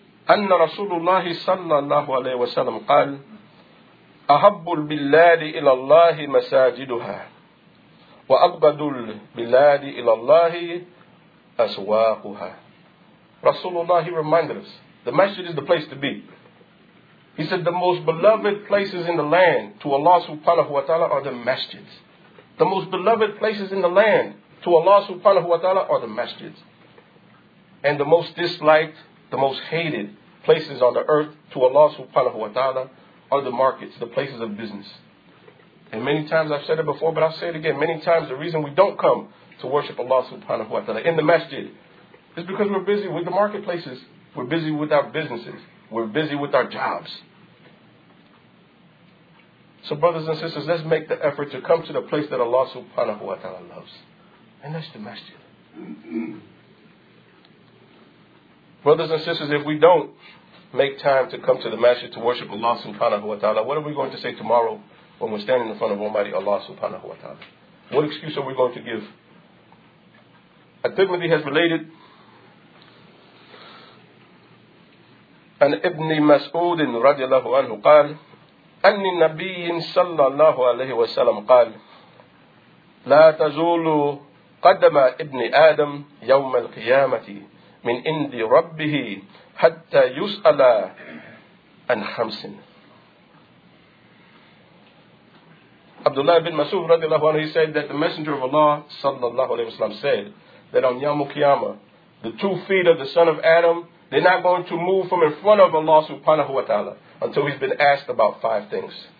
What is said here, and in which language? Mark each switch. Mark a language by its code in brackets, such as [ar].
[ar] أن رسول الله صلى الله عليه وسلم قال أحب البلاد إلى الله مساجدها وأبغض البلاد إلى الله أسواقها. [en] Rasulullah, he reminded us, the masjid is the place to be. He said, the most beloved places in the land to Allah subhanahu wa ta'ala are the masjids. The most beloved places in the land to Allah subhanahu wa ta'ala are the masjids. And the most disliked, the most hated places on the earth to Allah subhanahu wa ta'ala are the markets, the places of business. And many times I've said it before, but I'll say it again. Many times the reason we don't come to worship Allah subhanahu wa ta'ala in the masjid is because we're busy with the marketplaces. We're busy with our businesses. We're busy with our jobs. So brothers and sisters, let's make the effort to come to the place that Allah subhanahu wa ta'ala loves. And that's the masjid. Brothers and sisters, if we don't make time to come to the masjid to worship Allah subhanahu wa ta'ala, what are we going to say tomorrow when we're standing in front of Almighty Allah subhanahu wa ta'ala? What excuse are we going to give? At-Tirmidhi has related an Ibn Mas'ud radiallahu anhu qal, [ar] أن النبي صلى الله عليه وسلم قال لا تزول قدم ابن آدم يوم القيامة من عند ربه حتى يسأل عن خمس. [en] Abdullah ibn Mas'ud radiallahu anhu, he said that the Messenger of Allah sallallahu alayhi wasallam said that on Yawm al-Qiyamah the 2 feet of the son of Adam, they're not going to move from in front of Allah subhanahu wa ta'ala until he's been asked about 5 things.